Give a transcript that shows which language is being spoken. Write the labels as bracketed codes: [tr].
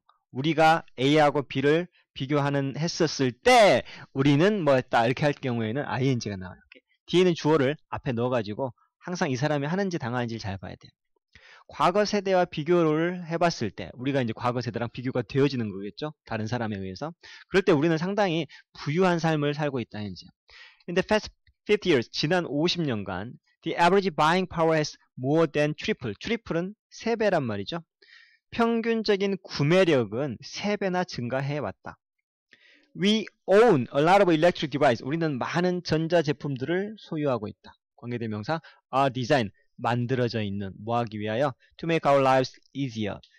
[ko] 우리가 A하고 B를 비교하는 했었을 때 우리는 뭐 했다 이렇게 할 경우에는 ing가 나와요. 뒤에는 주어를 앞에 넣어가지고 항상 이 사람이 하는지 당하는지를 잘 봐야 돼요. 과거 세대와 비교를 해봤을 때 우리가 이제 과거 세대랑 비교가 되어지는 거겠죠. 다른 사람에 의해서. 그럴 때 우리는 상당히 부유한 삶을 살고 있다 이제. [en] In the past 50 years, [ko] 지난 50년간, [en] the average buying power has more than tripled. [ko] Triple은 3배란 말이죠. 평균적인 구매력은 3배나 증가해 왔다. [en] We own a lot of electric devices. [ko] 우리는 많은 전자 제품들을 소유하고 있다. 관계대 명사, [en] are designed, [ko] 만들어져 있는, 뭐 하기 위하여, [en] to make our lives easier.